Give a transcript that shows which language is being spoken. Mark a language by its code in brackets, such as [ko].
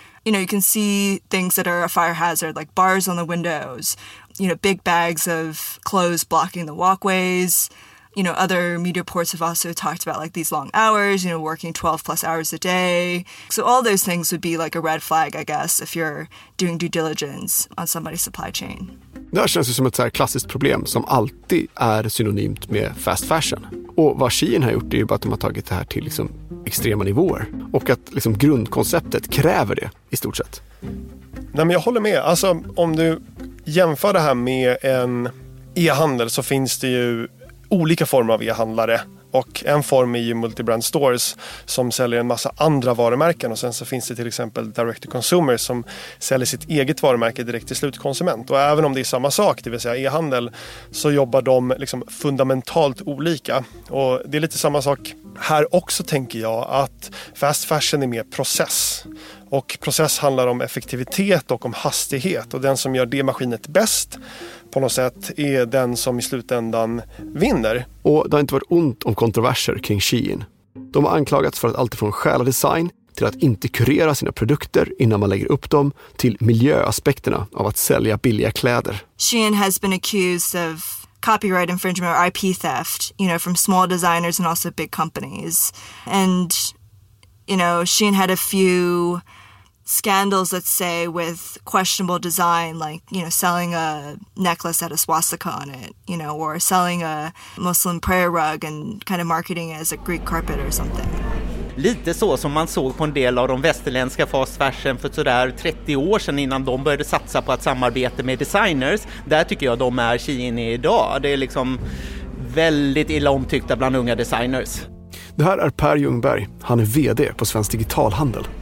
[en] You know, you can see things that are a fire hazard, like bars on the windows, you know, big bags of clothes blocking the walkways. You know, other media reports have also talked about like these long hours, you know, working 12 plus hours a day. So all those things would be like a red flag, I guess, if you're doing due diligence on somebody's supply chain. [sv] Det här känns ju som ett så här klassiskt problem som alltid är synonymt med fast fashion. Och vad Shein har gjort är ju bara att de har tagit det här till liksom extrema nivåer. Och att liksom grundkonceptet kräver det i stort sett. Nej, men jag håller med. Alltså, om du jämför det här med en e-handel så finns det ju olika former av e-handlare, och en form är ju multibrand stores som säljer en massa andra varumärken, och sen så finns det till exempel direct to consumer som säljer sitt eget varumärke direkt till slutkonsument. Och även om det är samma sak, det vill säga e-handel, så jobbar de liksom fundamentalt olika. Och det är lite samma sak här också, tänker jag, att fast fashion är mer process. Och process handlar om effektivitet och om hastighet. Och den som gör det maskinet bäst på något sätt är den som i slutändan vinner. Och det har inte varit ont om kontroverser kring Shein. De har anklagats för att allt från stjäla design till att inte kurera sina produkter innan man lägger upp dem till miljöaspekterna av att sälja billiga kläder. [en] Shein has been accused of copyright infringement or IP theft, you know, from small designers and also big companies. And you know, Shein had a few scandals, let's say, with questionable design, like, you know, selling a necklace that had a swastika on it, you know, or selling a Muslim prayer rug and kind of marketing it as a Greek carpet or something. [sv] Lite så som man såg på en del av de västerländska fast fashion för sådär 30 år sedan innan de började satsa på att samarbeta med designers. Där tycker jag de är Shein idag. Det är liksom väldigt illa omtyckta bland unga designers. Det här är Per Ljungberg. Han är vd på Svensk Digitalhandel.